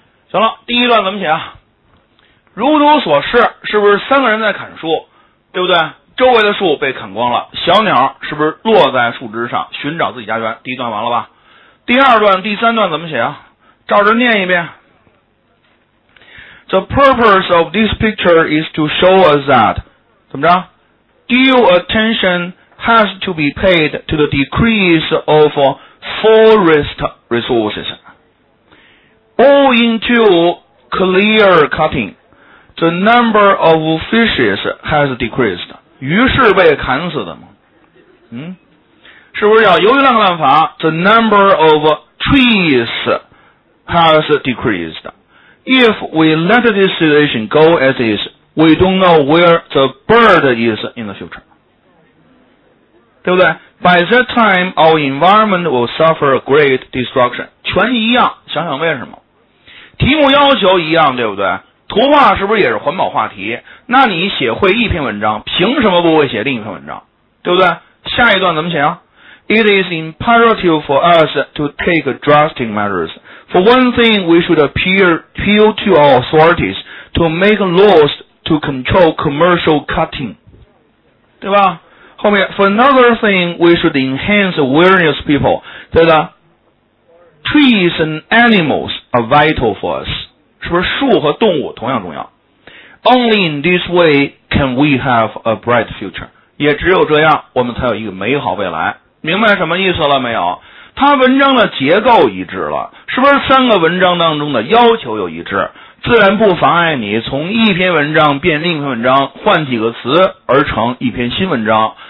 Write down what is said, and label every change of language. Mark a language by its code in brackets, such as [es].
[zh] 行了，第一段怎么写啊？如图所示，是不是三个人在砍树，对不对？周围的树被砍光了，小鸟是不是落在树枝上寻找自己家园？第一段完了吧？第二段、第三段怎么写啊？照着念一遍。 [en] The purpose of this picture is to show us that [zh] 怎么着？ [en] Due attention has to be paid to the decrease of forest resources. All into clear cutting. The number of fishes has decreased. [zh] 鱼是被砍死的吗？嗯，是不是叫由于滥砍滥伐 ？ [en] The number of trees has decreased. If we let this situation go as is, we don't know where the bird is in the future. [zh] 对不对 [en] ？By that time, our environment will suffer great destruction. [zh] 全一样，想想为什么？题目要求一样，对不对？图画是不是也是环保话题？那你写会一篇文章，凭什么不会写另一篇文章？对不对？下一段怎么写啊 [en] ？It is imperative for us to take drastic measures. For one thing, we should appeal to our authorities to make laws to control commercial cutting. [zh] 对吧？后面 [en] For another thing, we should enhance awareness of people that trees and animals are vital for us. [zh] 是不是树和动物同样重要 [en] ？Only in this way can we have a bright future. [zh] 也只有这样，我们才有一个美好未来。明白什么意思了没有？他文章的结构一致了，是不是三个文章当中的要求有一致？自然不妨碍你从一篇文章变另一篇文章，换几个词而成一篇新文章。